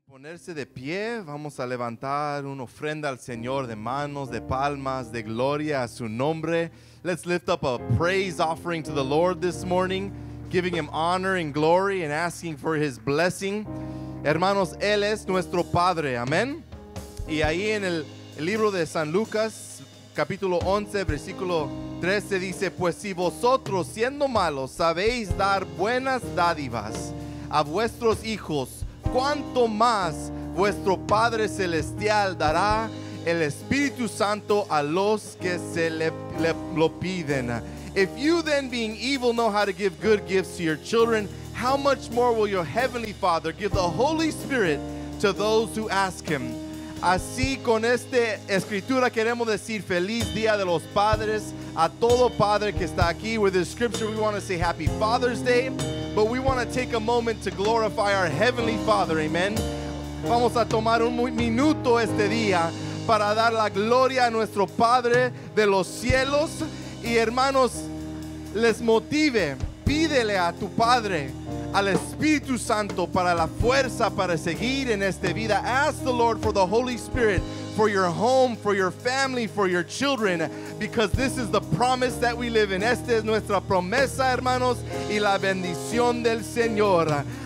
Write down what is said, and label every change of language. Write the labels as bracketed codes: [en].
[es] Ponerse de pie, vamos a levantar una ofrenda al Señor de manos, de palmas, de gloria a su nombre. [en] Let's lift up a praise offering to the Lord this morning, giving him honor and glory and asking for his blessing. [es] Hermanos, Él es nuestro Padre, amén. Y ahí en el libro de San Lucas, capítulo 11, versículo 13, dice: pues si vosotros, siendo malos, sabéis dar buenas dádivas a vuestros hijos, ¿cuánto más vuestro Padre Celestial dará el Espíritu Santo a los que se lo piden? [en] If you then, being evil, know how to give good gifts to your children, how much more will your Heavenly Father give the Holy Spirit to those who ask Him? [es] Así, con esta escritura queremos decir feliz día de los padres a todo padre que está aquí. [en] With this scripture, we want to say happy Father's Day, but we want to take a moment to glorify our Heavenly Father. Amen. [es] Vamos a tomar un minuto este día para dar la gloria a nuestro Padre de los cielos. Y hermanos, les motive, pídele a tu Padre, al Espíritu Santo, para la fuerza para seguir en esta vida. [en] Ask the Lord for the Holy Spirit, for your home, for your family, for your children, because this is the promise that we live in. [es] Esta es nuestra promesa, hermanos, y la bendición del Señor.